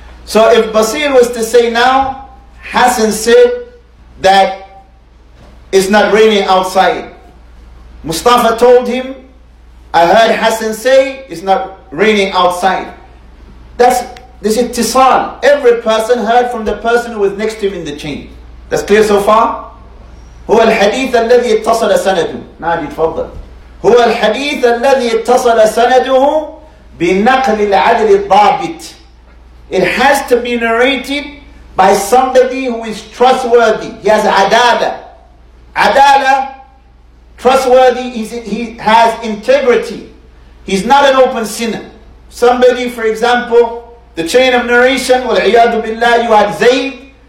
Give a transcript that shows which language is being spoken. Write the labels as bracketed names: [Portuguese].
[English] So if Basil was to say now, Hassan said that it's not raining outside. Mustafa told him, I heard Hassan say it's not raining outside. This is ittisal. Every person heard from the person who was next to him in the chain. That's clear so far? [Arabic] هو الحديث الذي اتصل سنده. نعم يتفضل. هو الحديث الذي اتصل سنده بنقل العدل الضابط. [English] It has to be narrated by somebody who is trustworthy. He has adala. Adala, trustworthy, he has integrity. He's not an open sinner. Somebody, for example, the chain of narration, [Arabic] وَالْعِيَادُ بِاللَّهِ, [English] you had Zayd.